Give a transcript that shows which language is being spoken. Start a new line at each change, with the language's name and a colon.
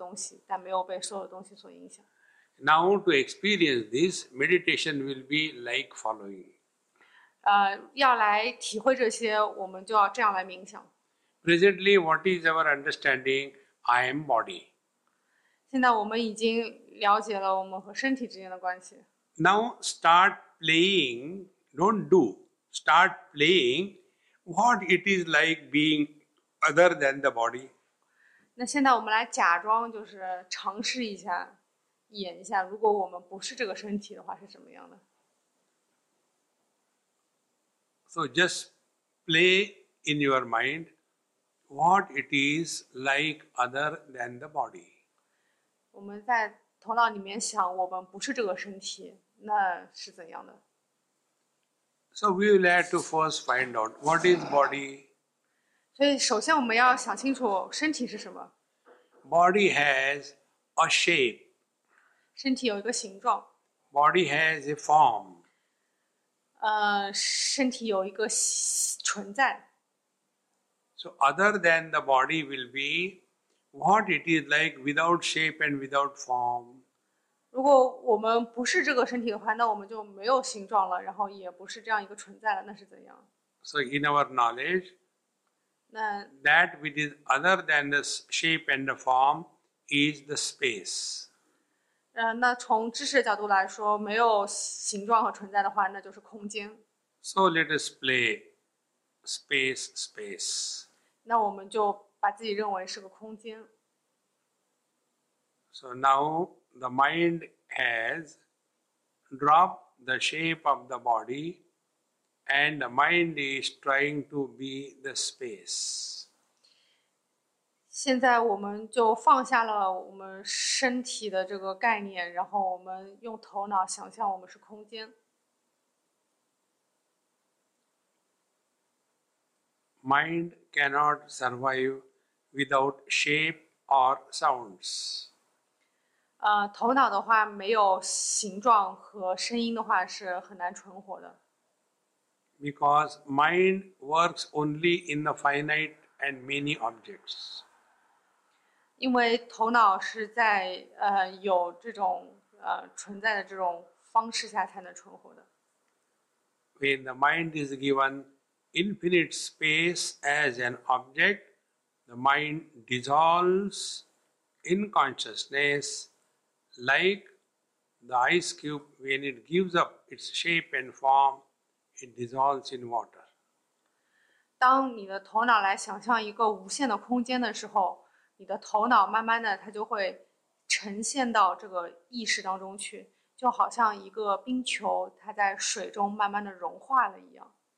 Chinese: 所以就像空间，它承载着所有的东西，但是没有被这些东西所影响。那我们的意识也是，我们接受了所有的东西，但没有被所有的东西所影响。
English: Now to experience this, meditation will be like following.
Chinese: 要来体会这些，我们就要这样来冥想。
English: Presently, what is our understanding? I am body.
Chinese: 现在我们已经了解了我们和身体之间的关系。
English: Now start playing, don't do, start playing what it is like being other than the body,
Chinese: 那现在我们来假装，就是尝试一下，演一下，如果我们不是这个身体的话，是什么样的？
English: So just play in your mind what it is like other than the body.
Chinese: 我们在头脑里面想，我们不是这个身体，那是怎样的？
English: So we will have to first find out what is body.
Chinese: 所以首先我们要想清楚身体是什么。
English: Body has a shape.
Chinese: 身体有一个形状。
English: Body has a form.
Chinese: 身体有一个存在。
English: So other than the body will be what it is like without shape and without form.
Chinese: 如果我们不是这个身体的话，那我们就没有形状了，然后也不是这样一个存在了，那是怎样？
English: So in our knowledge, that which is other than the shape and the form is the space.
Chinese: 那从知识角度来说，没有形状和存在的话，那就是空间。
English: So let us play space, space.
Chinese: 那我们就把自己认为是个空间。
English: So now the mind has dropped the shape of the body, and the mind is trying to be the space.
Chinese: 现在我们就放下了我们身体的这个概念，然后我们用头脑想象我们是空间。
English: Mind cannot survive without shape or sounds.
Chinese: 头脑的话没有形状和声音的话是很难存活的。
English: Because mind works only in the finite and many objects.
Chinese: 因为头脑是在有这种存在的这种方式下才能存活的。
English: When the mind is given infinite space as an object, the mind dissolves in consciousness like the ice cube. When it gives up its shape and form, it dissolves in water.
Chinese: 当你的头脑来想象一个无限的空间的时候，你的头脑慢慢的它就会呈现到这个意识当中去，就好像一个冰球它在水中慢慢的融化了一样。